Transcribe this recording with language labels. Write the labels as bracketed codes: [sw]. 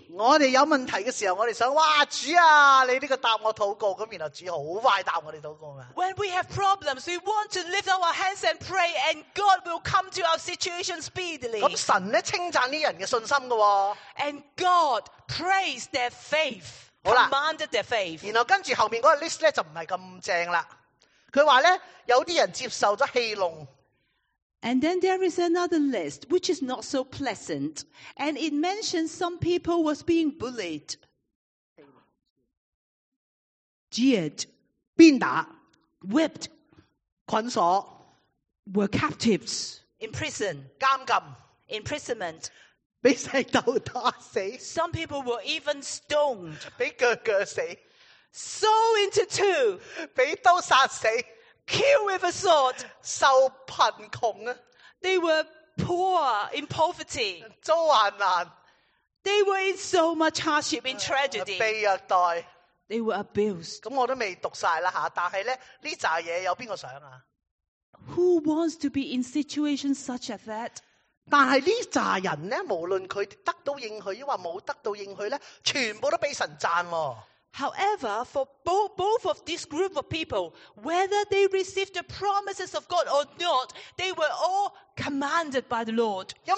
[yue] 我哋有问题嘅时候，我哋想哇主啊，你呢个答我祷告，咁然后主好快答我哋祷告啊。 [en] When we have problems, we want to lift up our hands and pray, and God will come to our situation speedily. [yue] 咁神咧称赞啲人嘅信心嘅、哦。 [en] And God praised their faith, commanded their faith. [yue] 然后跟住后面嗰个 list 咧就唔系咁正啦。佢话咧有啲人接受咗戏弄。 [en] And then there is another list, which is not so pleasant. And it mentions some people was being bullied. Jeered. [yue] 鞭打 [en] Whipped. [yue] 捆锁 [en] Were captives. In prison. [yue] 监禁 [en] Imprisonment. [yue] 被石头打死 [en] Some people were even stoned. [yue] 被锯锯死 [en] Sawn into two. [yue] 被刀杀死 [en] Killed with a sword. [yue] 受贫穷啊 [en] They were poor in poverty. [yue] 遭患难 [en] They were in so much hardship in tragedy. [yue] 被虐待 [en] They were abused. [yue] 咁我都未读晒啦吓，但系咧呢扎嘢有边个想啊 [en] ？Who wants to be in situations such as that？ [yue] 但系呢扎人咧，无论佢得到应许，亦或冇得到应许咧，全部都被神赞。 [en] However, for both of this group of people, whether they received the promises of God or not, they were all commanded by the Lord.